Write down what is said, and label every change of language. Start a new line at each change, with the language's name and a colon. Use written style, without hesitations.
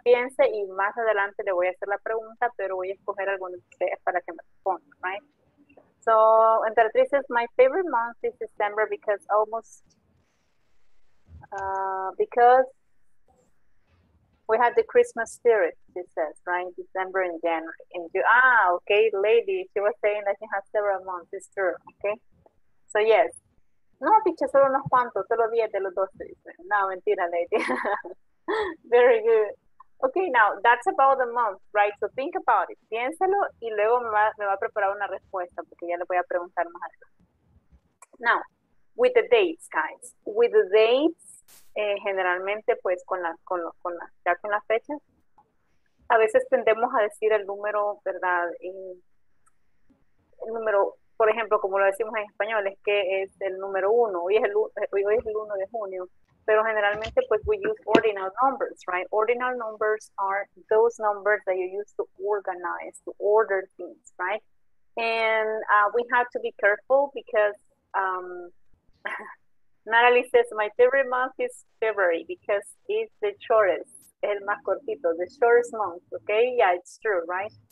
Spanish: Piense y más adelante le voy a hacer la pregunta, pero voy a escoger alguno de ustedes para que me responda, right?
English: So, Emperatriz says, my favorite month is December because almost, because we had the Christmas spirit, she says, right? December and January. And you, ah, okay, lady, she was saying that she has several months, it's true, okay? So, yes.
Spanish: No, dicho solo unos cuantos, solo 10 de los 12. No, mentira,
English: lady. Very good. Okay, now, that's about the month, right? So think about it.
Spanish: Piénsalo y luego me va a preparar una respuesta porque ya le voy a preguntar más algo.
English: Now, with the dates,
Spanish: guys. With the dates, generalmente, pues, con la fecha, a veces tendemos a decir el número, ¿verdad? El número, por ejemplo, como lo decimos en español, es que es el número uno. Hoy es el 1 de junio. Pero generalmente, pues,
English: we use ordinal numbers, right? Ordinal numbers are those numbers that you use to organize, to order things, right? And we have to be careful because, Natalie says, my favorite month is February because it's the shortest,
Spanish: el más cortito,
English: the shortest month, okay? Yeah, it's true, right?